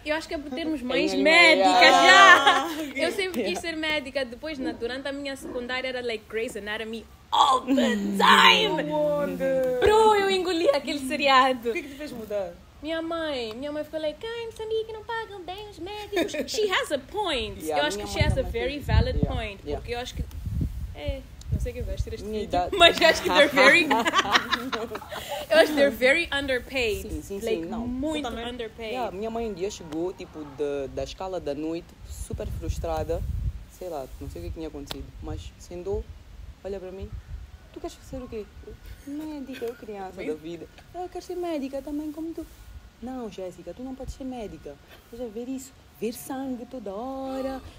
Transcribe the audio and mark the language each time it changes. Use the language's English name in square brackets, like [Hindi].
[Portuguese] Eu acho que é por termos mães médicas, já! Okay. Eu sempre quis ser médica. Depois, durante a minha secundária, era like Grey's Anatomy. All the time! Bro, eu engoli aquele seriado. O que te fez mudar? Minha mãe ficou like, ai, Moçambique, não pagam bem os médicos. [English] She has a point. Yeah, eu acho que she has a very valid point. Yeah. [Portuguese] Porque eu acho que... não sei quem vai assistir este vídeo. Mas eu acho que they're very... eu acho que they're very underpaid. Sim. [English] Like, [Portuguese] não. Muito também... underpaid. Yeah, minha mãe um dia chegou, tipo, da escala da noite, super frustrada. Sei lá, não sei o que tinha acontecido. Mas sentou. Olha para mim, tu queres ser o quê? Médica, eu criança da vida. Eu quero ser médica também, como tu. Não, Jéssica, tu não podes ser médica. Você vai ver isso, ver sangue toda hora.